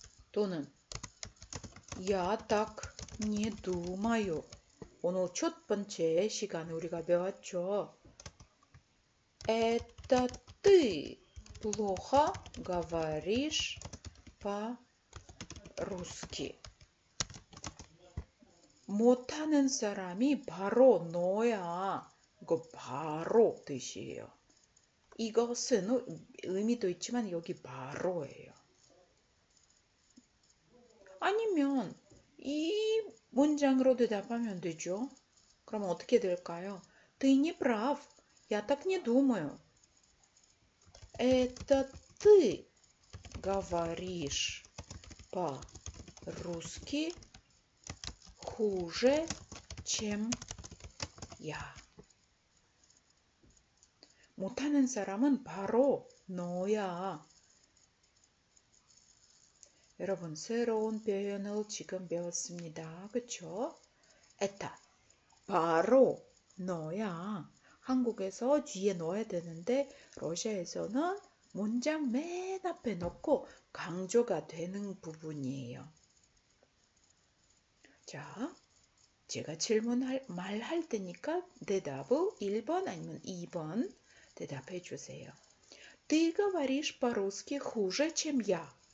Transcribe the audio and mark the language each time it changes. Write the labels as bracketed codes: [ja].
[ru] 또는 Я так не думаю. [ko] 오늘 첫 번째 시간에 우리가 배웠죠. [ru] Это ты плохо говоришь по-русски. [ko] 못하는 사람이 바로 너야. 이거 바로 뜻이에요. 이것은 의미도 있지만 여기 바로예요. 아니면 이 문장으로 대답하면 되죠. 그러면 어떻게 될까요? [ru] Ты не прав. Я так не думаю. Это ты говоришь по-русски хуже, чем я. [ko] 못하는 사람은 바로 너야. 여러분, 새로운 표현을 지금 배웠습니다. 그쵸? 에타. 바로 너야. 한국에서 뒤에 넣어야 되는데, 러시아에서는 문장 맨 앞에 넣고 강조가 되는 부분이에요. 자, 제가 말할 테니까 대답을 1번 아니면 2번 대답해 주세요. [ru] Ты говоришь по-русски хуже, чем я.